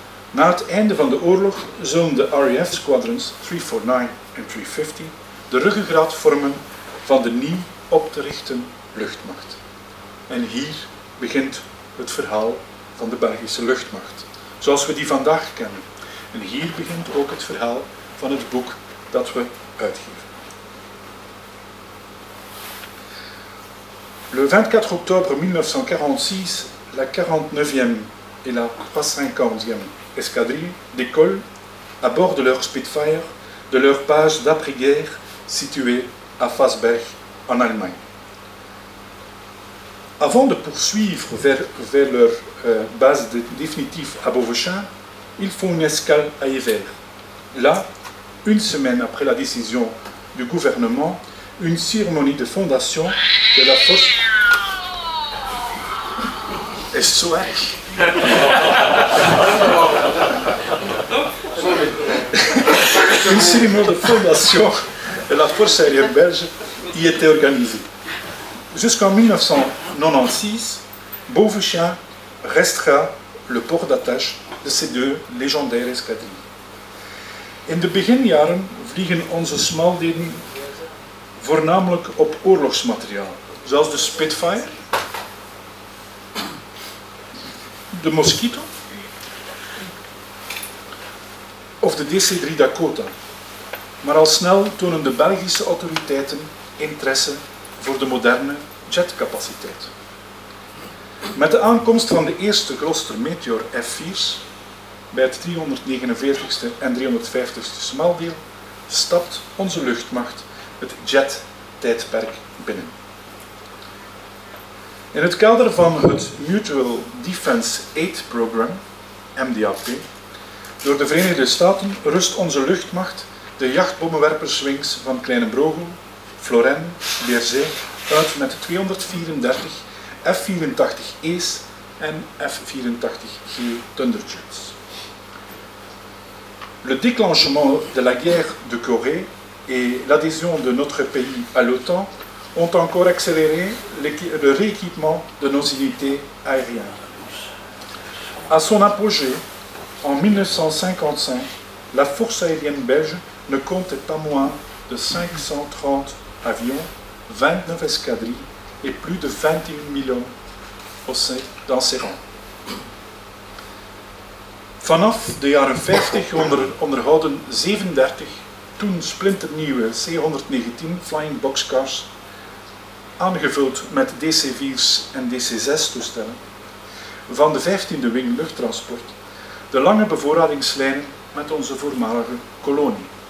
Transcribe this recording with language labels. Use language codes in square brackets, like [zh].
[nl] Na het einde van de oorlog zullen de RAF squadrons 349 en 350 de ruggengraat vormen van de nieuw op te richten luchtmacht. En hier begint het verhaal van de Belgische luchtmacht, zoals we die vandaag kennen. En hier begint ook het verhaal van het boek dat we uitgeven. [fr] Le 24 octobre 1946, la 49e et la 350e escadrille décolle à bord de leur Spitfire de leur base d'après-guerre située à Fassberg en Allemagne. Avant de poursuivre vers leur base définitive à Beauvauchamp, ils font une escale à Evere. Là, une semaine après la décision du gouvernement, une cérémonie de fondation de la force. Est-ce so erg? Une cérémonie de fondation de la force aérienne belge y était organisée. Jusqu'en 1996, Beauvauchamp restera le port d'attache de ces deux légendaires escadrilles. [nl] In de beginjaren vliegen onze smalleden voornamelijk op oorlogsmateriaal, zoals de Spitfire, de Mosquito of de DC-3 Dakota. Maar al snel tonen de Belgische autoriteiten interesse voor de moderne jetcapaciteit. Met de aankomst van de eerste Gloster Meteor F4's bij het 349ste en 350ste smaldeel stapt onze luchtmacht het jet-tijdperk binnen. In het kader van het Mutual Defense Aid Program, MDAP, door de Verenigde Staten rust onze luchtmacht de jachtbommenwerperswings van Kleine Brogel, Floren, Bierzee uit met 234 F-84E's en F-84G Thunderjets. [fr] Le déclenchement de la guerre de Corée et l'adhésion de notre pays à l'OTAN ont encore accéléré le rééquipement de nos unités aériennes. À son apogée, en 1955, la force aérienne belge ne comptait pas moins de 530 avions, 29 escadrilles et plus de 21 millions dans ses rangs. [nl] Vanaf de jaren 50 onderhouden 37 toen splinternieuwe C-119 Flying Boxcars, aangevuld met DC-4's en DC-6 toestellen, van de 15e Wing Luchttransport, de lange bevoorradingslijn met onze voormalige kolonie.